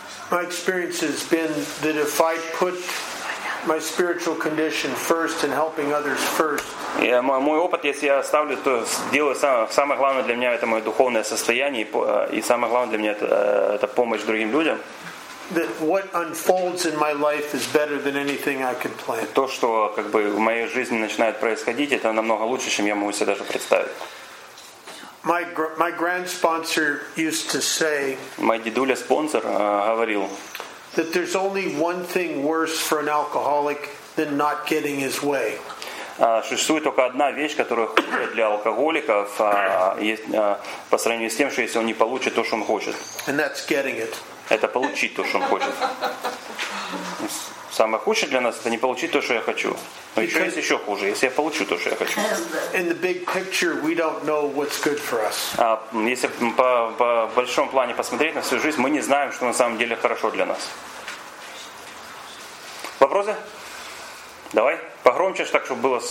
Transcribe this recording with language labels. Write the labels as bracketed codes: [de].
[en] My experience has been that if I put my spiritual condition first and helping others first, [ru] мой опыт, если я ставлю, то делаю самое главное для меня это мое духовное состояние и самое главное для меня это помощь другим людям. [en] That what unfolds in my life is better than anything I can plan. [ru] То, что как бы в моей жизни начинает происходить, это намного лучше, чем я могу себе даже представить. [en] My grand sponsor used to say. [ru] Мой дедуля спонсор говорил. [en] That there's only one thing worse for an alcoholic than not getting his way. [ru] Существует только одна вещь, которая хуже для алкоголиков, по сравнению с тем, что если он не получит то, что он хочет. [en] And that's getting it. [ru] Это получить то, что он хочет. Самое худшее для нас это не получить то, что я хочу. Но еще есть еще хуже, если я получу то, что я хочу. [en] In the big picture, we don't know what's good for us. [ru] Если по большому плане посмотреть на всю жизнь, мы не знаем, что на самом деле хорошо для нас. Вопросы? Давай погромче, так чтобы было